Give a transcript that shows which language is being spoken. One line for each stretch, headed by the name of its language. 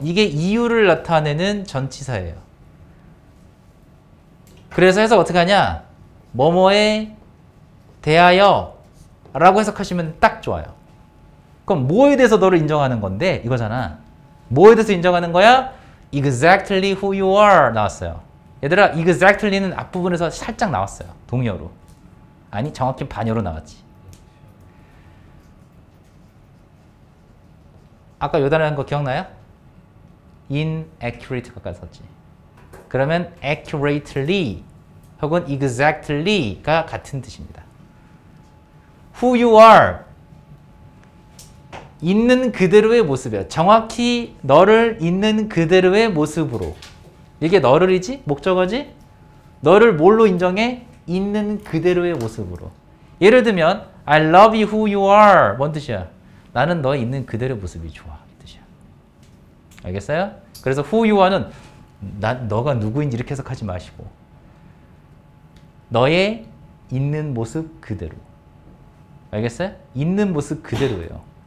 Korean: 이게 이유를 나타내는 전치사예요. 그래서 해석 어떻게 하냐? 뭐뭐에 대하여 라고 해석하시면 딱 좋아요. 그럼 뭐에 대해서 너를 인정하는 건데? 이거잖아. 뭐에 대해서 인정하는 거야?
English: Exactly who you are
Korean: 나왔어요. 얘들아, exactly는 앞부분에서 살짝 나왔어요. 동의어로. 아니, 정확히 반여로 나왔지. 아까 요 단어 한 거 기억나요? Inaccurate 가까이 썼지. 그러면 accurately 혹은 exactly가 같은 뜻입니다.
English: Who you are.
Korean: 있는 그대로의 모습이야. 정확히 너를 있는 그대로의 모습으로. 이게 너를이지? 목적어지? 너를 뭘로 인정해? 있는 그대로의 모습으로. 예를 들면
English: I love you who you are.
Korean: 뭔 뜻이야? 나는 너 있는 그대로의 모습이 좋아. 알겠어요? 그래서
English: who you are
Korean: 는 너가 누구인지 이렇게 해석하지 마시고 너의 있는 모습 그대로. 알겠어요? 있는 모습 그대로예요.